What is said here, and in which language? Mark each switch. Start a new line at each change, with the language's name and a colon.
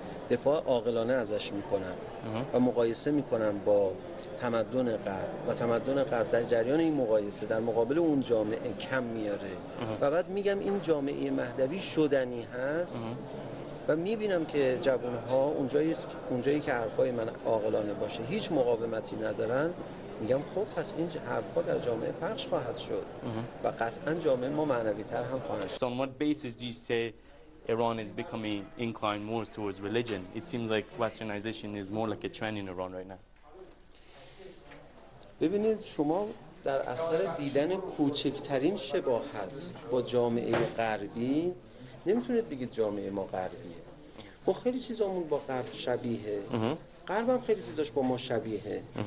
Persian: دفاع عاقلانه ازش میکنم و مقایسه میکنم با تمدن غرب، و تمدن غرب در جریان این مقایسه در مقابل اون جامعه کم میاره و بعد میگم این جامعه مهدوی شدنی هست و میبینم که جوانها اونجایی که حرفای من عاقلانه باشه هیچ مقاومتی ندارن، میگم خب پس این حرفها در جامعه پخش خواهد شد و قطعا جامعه ما معنوی تر هم خواهد شد.
English: On what basis do you say Iran is becoming inclined more towards religion? It seems like westernization is more like a trend in Iran right now.
Persian: ببینید شما در اثر دیدن کوچکترین شباهت با جامعه غربی نمیتونید بگید جامعه ما غربیه. ما خیلی چیزامون با غرب شبیهه. غرب هم خیلی چیزاش با ما شبیهه.